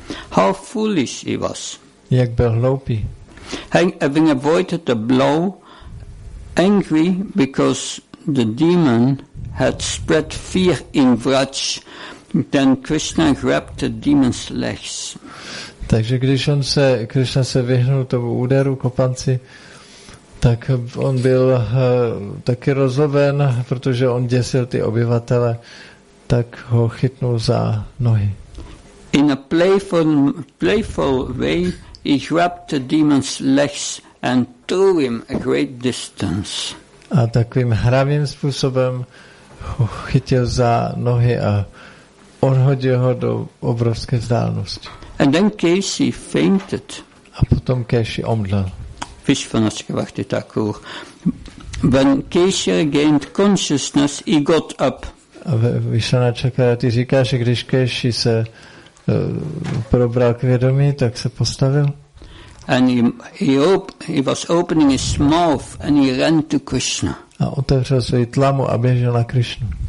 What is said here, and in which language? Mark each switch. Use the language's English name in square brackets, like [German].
[English] How foolish he was. [Czech] Jak byl hloupý. [English] Having avoided the blow, angry because the demon had spread fear in Vraj, then Krishna grabbed the demon's legs. [Czech] Takže když Krishna se vyhnul tomu úderu kopanci, tak on byl taky rozloben, protože on děsil ty obyvatele, tak ho chytnul za nohy. [English] In a playful way, he grabbed the demon's legs and threw him a great distance. [Czech] A takovým hravým způsobem ho chytil za nohy a odhodil ho do obrovské vzdálenosti. [English] And then Keshi fainted. [Czech] A potom Keshi omdlel. [English] When Keshi regained consciousness, he got up. [Czech] A Vishvanatha Chakravarti říká, že když Keshi se probral k vědomí, tak se postavil. [English] And he was opening his mouth and he ran to Krishna. [Czech] A otevřel svoji tlamu a běžel na Krishnu.